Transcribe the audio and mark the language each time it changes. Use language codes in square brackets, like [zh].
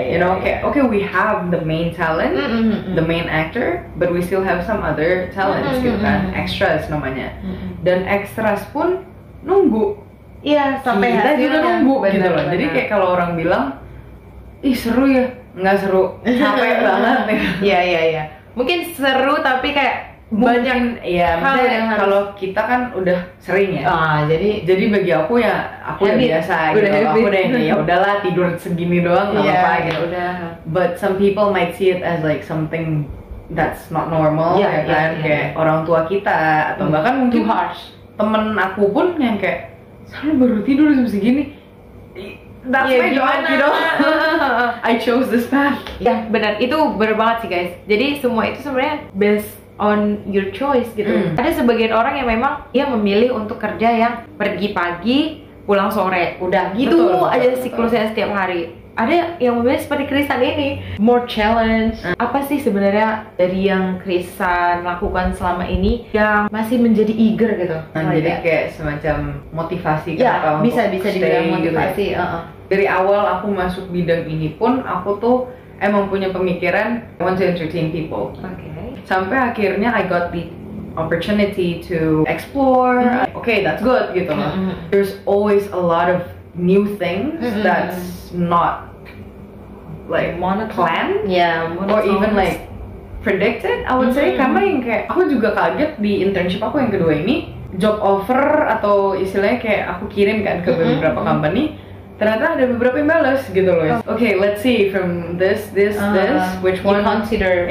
[en] You know, okay, we have the main talent, the main actor, but we still have some other talents, gitu kan? [id] Extras namanya. Dan extras pun nunggu. Iya, sampai kita juga nunggu, gitu loh. Jadi kayak kalau orang bilang, ih seru ya, nggak seru, capek banget. Iya. Mungkin seru tapi kayak banyak ya, hal yang kalau kita kan udah sering ya. Jadi bagi aku ya aku udah biasa gitu. Aku udah ya udahlah tidur segini doang enggak apa-apa gitu. [en] But some people might see it as like something that's not normal [id] kayak orang tua kita atau bahkan mungkin [en] too harsh. [id] Temen aku pun yang kayak selalu baru tidur jam segini. [en] That's my job, you know. I chose this path. [id] Ya, benar. Itu benar banget sih, guys. Jadi semua itu sebenarnya [en] best on your choice [id] gitu. Ada sebagian orang yang memang dia memilih untuk kerja yang pergi pagi, pulang sore, udah gitu betul, aja betul, siklusnya betul. Setiap hari. ada yang membedanya seperti Krisan ini. [en] More challenge. [id] Apa sih sebenarnya dari yang Krisan lakukan selama ini yang masih menjadi eager gitu? Jadi kayak semacam motivasi kan? Ya, bisa dibilang motivasi. Gitu. Dari awal aku masuk bidang ini pun, aku tuh emang punya pemikiran [en] I want to entertain people. Okay. [id] Sampai akhirnya [en] I got the opportunity to explore. Mm-hmm. Okay, that's good gitu. Mm-hmm. There's always a lot of new things that's not like monoplanned, yeah, or even like predicted. I would say [id] karena yang kayak aku juga kaget di internship aku yang kedua ini, job offer atau istilahnya kayak aku kirim kan ke beberapa company, ternyata ada beberapa yang balas gitu loh. Okay, let's see from this, which one you consider?